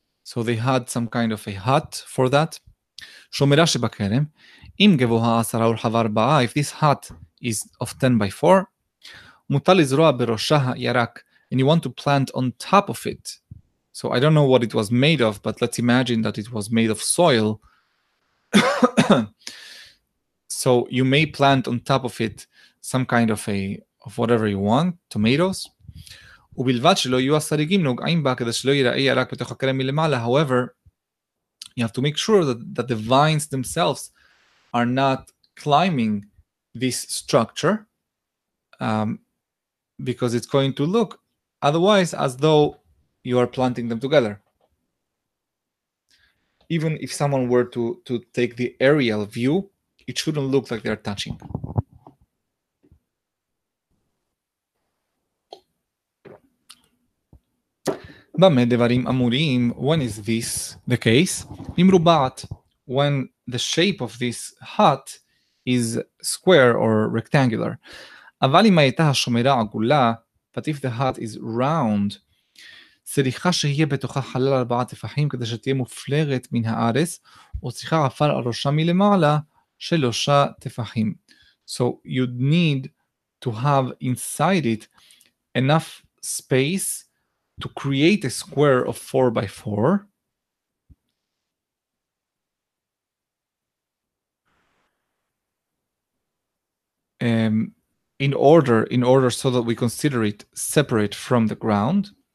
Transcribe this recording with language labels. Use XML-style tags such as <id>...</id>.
<en>So they had some kind of a hut for that.</en> <he>Shomera shebakerem, im gevoha asara urhava arba'a,</he> <en>if this hut is of 10 by 4,</en> <he>mutar lizroa beroshah yarak,</he> <en>and you want to plant on top of it. So I don't know what it was made of, but let's imagine that it was made of soil. So you may plant on top of it some kind of whatever you want, tomatoes.</en> <he>ובלבד שלא יהיו השריגים נוגעים בה כדי שלא ייראה ירק בתוך הכרם מלמעלה.</he> <en>However, you have to make sure that the vines themselves are not climbing this structure, because it's going to look otherwise as though you are planting them together. Even if someone were to take the aerial view, it shouldn't look like they are touching.</en> <he>במה דברים אמורים,</he> <en>when is this the case? ממרובעת, when the shape of this hut is square or rectangular.</en> <he>אבל אם הייתה השומרה עגולה,</he> <en>but if the hut is round,</en> <he>צריכה שיהיה בתוכה חלל ארבעה תפחים כדי שתהיה מופלרת מן הארץ, או צריכה עפר על ראשה מלמעלה שלושה תפחים.</he> <en>So you'd need to have inside it enough space to create a square of 4x4, in order so that we consider it separate from the ground,</en>